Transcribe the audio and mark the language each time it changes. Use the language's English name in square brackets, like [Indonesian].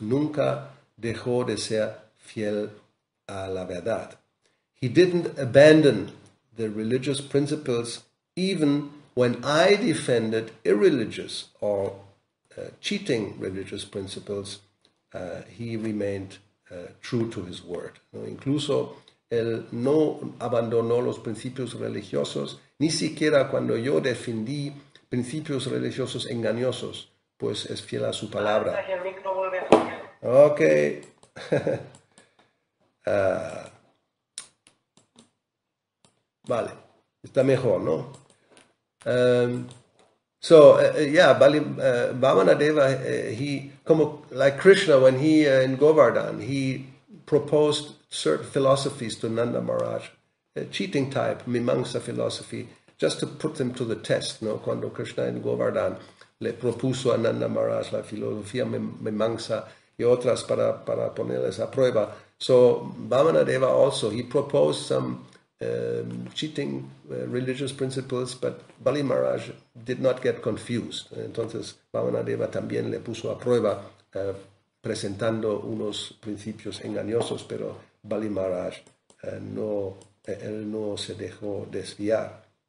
[Spanish] Nunca dejó de ser fiel a la verdad. [English] He didn't abandon the religious principles even when I defended irreligious or cheating religious principles. He remained true to his word. ¿No? [Spanish] Incluso él no abandonó los principios religiosos, ni siquiera cuando yo defendí principios religiosos engañosos, pues es fiel a su palabra. Ok. vale. Está mejor, ¿no? [English] Bali, Vamana-deva, he, como, like Krishna, when he, in Govardhan, he proposed certain philosophies to Nanda Maharaj, cheating type, Mimamsa philosophy, just to put them to the test, ¿no? [Spanish] Cuando Krishna en Govardhan le propuso a Nanda Maharaj la filosofía Mimamsa y otras para ponerles a prueba. [English] So, Vamana-deva also, he proposed some cheating religious principles, but Bali Maharaj did not get confused. [Spanish] Entonces, Vamana-deva también le puso a prueba presentando unos principios engañosos, pero Bali Maharaj no se dejó desviar.